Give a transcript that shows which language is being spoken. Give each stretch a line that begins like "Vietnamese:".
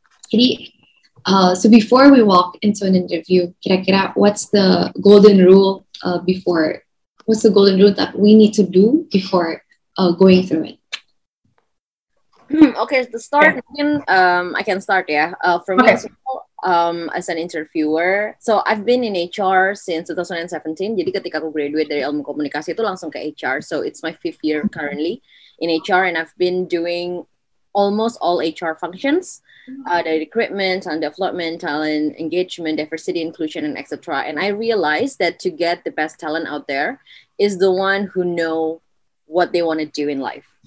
English: Kitty, so before we walk into an interview,
Indonesian: kira-kira,
English: what's the golden rule before? What's the golden rule that we need to do before going through it? Okay, to start, I can start, yeah. From okay. As an interviewer, so I've been in HR since 2017.
Indonesian: Jadi ketika aku
English: graduate
Indonesian: dari ilmu komunikasi itu langsung ke HR.
English: So it's my fifth year currently in HR, and I've been doing almost all HR functions, the recruitment and development, talent engagement, diversity, inclusion, and etc. And I realized that to get the best talent out there is the one who know what they want to do in life.